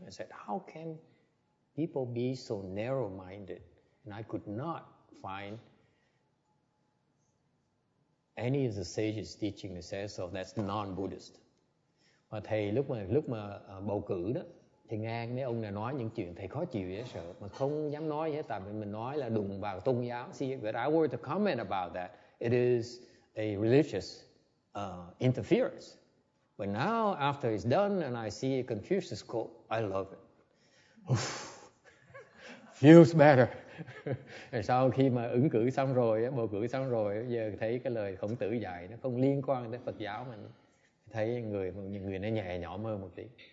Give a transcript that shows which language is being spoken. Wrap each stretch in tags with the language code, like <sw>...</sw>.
<en>I said, how can people be so narrow-minded? And I could not find any of the sages teaching that says so. That's non-Buddhist.</en> <vi>Mà thầy lúc mà bầu cử đó, thì nghe mấy ông này nói những chuyện thầy khó chịu dễ sợ, mà không dám nói hết. Tại vì mình nói là đụng vào tôn giáo.</vi> <en>See, but I were to comment about that. It is a religious interference. But now, after it's done, and I see a Confucius quote, I love it. Feels better.</en> <vi>Sau khi mà ứng cử xong rồi, bầu cử xong rồi, giờ thấy cái lời Khổng Tử dạy nó không liên quan tới Phật giáo mình, thấy người nó nhẹ nhõm hơn một tí.</vi>